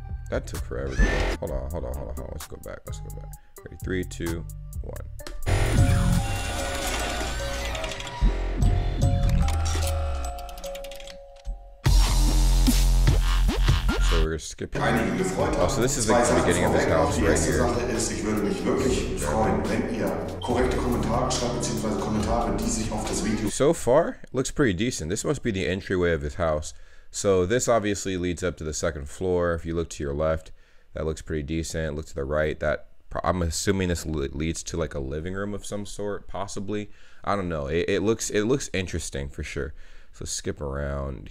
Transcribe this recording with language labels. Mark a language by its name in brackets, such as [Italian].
[English] That took forever. Hold on. Let's go back. Ready, 3, 2, 1. So this is like the beginning of his house right here. [German] Ich würde mich wirklich freuen, wenn ihr korrekte Kommentare schreibt bzw. Kommentare, die sich auf das Video. [English] So far, it looks pretty decent. This must be the entryway of his house. So this obviously leads up to the second floor. If you look to your left, that looks pretty decent. Look to the right, that I'm assuming this leads to like a living room of some sort, possibly. I don't know. It looks interesting for sure. So skip around.